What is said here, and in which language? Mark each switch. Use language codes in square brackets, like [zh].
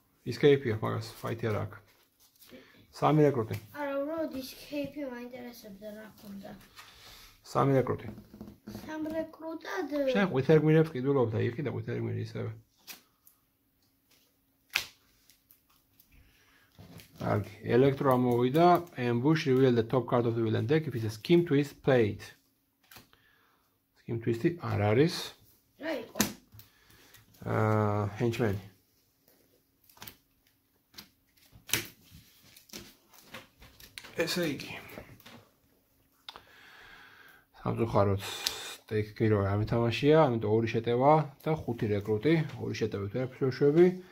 [ka] Escape-ია მაგას, ფაითი არ აქვს. სამი რეკრუტი. არა, რო Escape-ი მაინტერესებდა რა ქონდა. სამი რეკრუტი. სამ რეკრუტად. შენ ყვითელ გმირებს ყიდულობ და იყიდე ყვითელ გმირი ისევე. [en] Так, Electro Amoida, Ambush reveal the top card of the villain deck if it's a Scheme Twist played. [ka] Scheme Twist-ი არ არის. რა იყო? Henchman. ესე იგი. სამწუხაროდ deck hero ამეთამაშია, ამიტომ ორი შეტევა და ხუთი რეკრუტი, ორი შეტევით ვერ ფშოშები.